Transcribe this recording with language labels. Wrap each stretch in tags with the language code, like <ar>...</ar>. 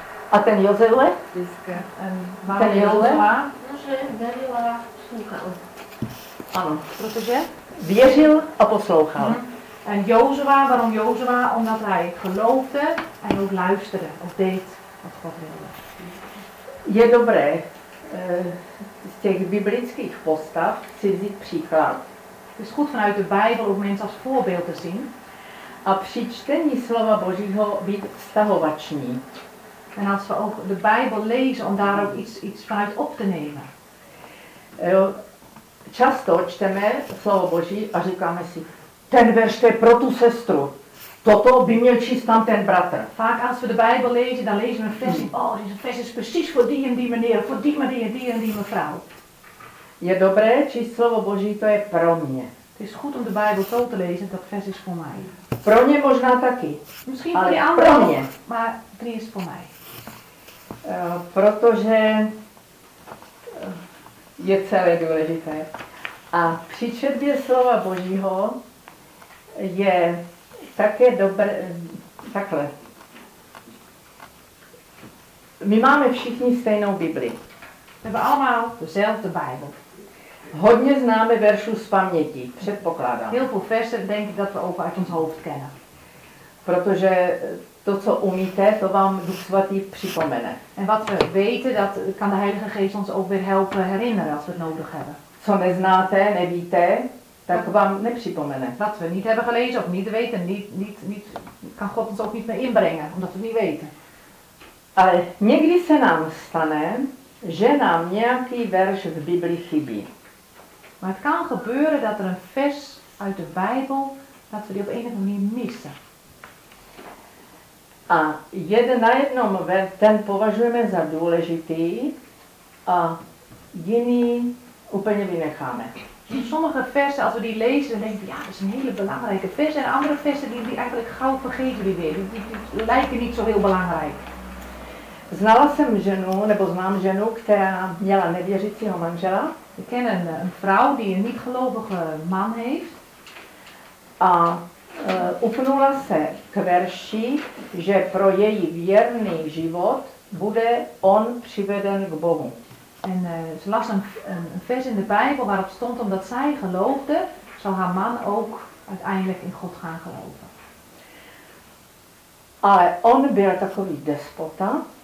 <cs>A ten Jozele? Ten Jozele? No, že ano, protože věřil a poslouchal.</cs> <nl>En Jozua, waarom Jozua? Omdat hij geloofde en ook luisterde, of deed wat God wilde.</nl> <cs>Je dobré z těch biblických postav si vzít příklad.</cs> <nl>Het is goed vanuit de Bijbel om mensen als voorbeeld te zien.</nl> <cs>A při čtení slova Božího být vztahovační.</cs> <nl>En als we ook de Bijbel lezen om daar ook iets vanuit op te nemen.</nl> <cs>Často čteme slovo Boží a říkáme si, ten verš to je pro tu sestru, toto by měl číst tam ten bratr.</cs> <nl>Vaak als we de Bijbel lezen, dan lezen we een vers, deze vers is precies voor die en die meneer, voor die meneer, die en die mevrouw.</nl> <cs>Je dobré číst slovo Boží, to je pro mě.</cs> <nl>Het is goed om de Bijbel zo te lezen, dat vers is voor mij.</nl> <cs>Pro mě možná taky,</cs> <nl>misschien ale voor</nl> <cs>pro mě.</cs> <nl>Maar die is voor mij.</nl> <cs>Protože... je celé důležité. A při četbě slova Božího je také dobré, takhle. My máme všichni stejnou Bibli.</cs> <nl>Nebo allemaal dezelfde Bijbel.</nl> <cs>Hodně známe veršů z paměti, předpokládám.</cs> <nl>Heel veel versen denk ik dat we ook uit ons hoofd kennen.</nl> <cs>Protože to, co umíte, to vám Duch Svatý připomene.</cs> <nl>En wat we weten, dat kan de Heilige Geest ons ook weer helpen herinneren, als we het nodig hebben.</nl> <cs>Co neznáte, nevíte, tak vám nepřipomene.</cs> <nl>Wat we niet hebben gelezen of niet weten, niet kan God ons ook niet meer inbrengen, omdat we niet weten.</nl> <cs>Ale někdy se nám stane, že nám nějaký verš v Biblii chybí.</cs> <nl>Maar het kan gebeuren dat er een vers uit de Bijbel, dat we die op een of andere manier missen.</nl> <cs>A jeden na jednom ver, ten považujeme za důležitý a jiný úplně vynecháme.</cs> <nl>Sommige versen, als we die lezen, dan denken we, ja, dat is een hele belangrijke vers. En andere versen, die eigenlijk gauw vergeten we weer. Die lijken niet zo heel belangrijk.</nl> <cs>Znala jsem ženu, nebo znám ženu, která měla nevěřícího manžela.</cs> <nl>We kennen een vrouw die een niet gelovige man heeft.</nl> <cs>A upnula se k verši, že pro její věrný život bude on přiveden k Bohu.</cs> <nl>En ze las een vers in de Bijbel waarop stond, omdat zij geloofde, zal haar man ook uiteindelijk in God gaan geloven.</nl> <cs>Ale on byl takový despota.</cs>